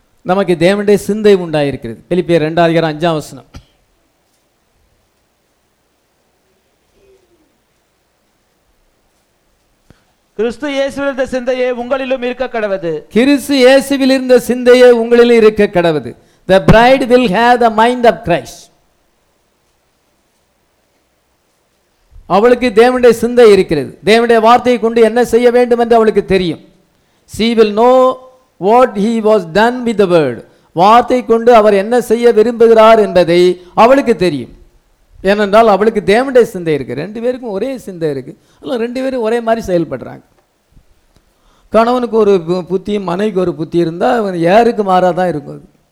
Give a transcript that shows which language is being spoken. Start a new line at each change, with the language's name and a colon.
Tamil: நமக்கு தேவனுடைய சிந்தை உண்டாயிருக்கிறது. பிலிப்பியர் 2:5. கிறிஸ்து இயேசுவில் இருந்த சிந்தையே உங்களிலும் இருக்க கடவது. கிறிஸ்து இயேசுவில் இருந்த சிந்தையே உங்களிலும் இருக்க கடவது.
English: The bride will have the mind of Christ.
Tamil: அவளுக்கு தேவனுடைய சிந்தை இருக்கிறது. தேவனுடைய வார்த்தையை கொண்டு என்ன செய்ய வேண்டும் என்று அவளுக்கு தெரியும்.
English: She will know what he was done with the word.
Tamil: வார்த்தை கொண்டு அவர் என்ன செய்ய விரும்புகிறார் என்பதை அவளுக்கு தெரியும். ஏனென்றால் அவளுக்கு தேவனுடைய சிந்தை இருக்கு. ரெண்டு பேருக்கும் ஒரே சிந்தை இருக்கு. ரெண்டு பேரும் ஒரே மாதிரி செயல்படுறாங்க. கணவனுக்கு ஒரு புத்தி, மனைவிக்கு ஒரு புத்தி இருந்தால் அவன் யாருக்கு மாறாக தான் இருக்கும்.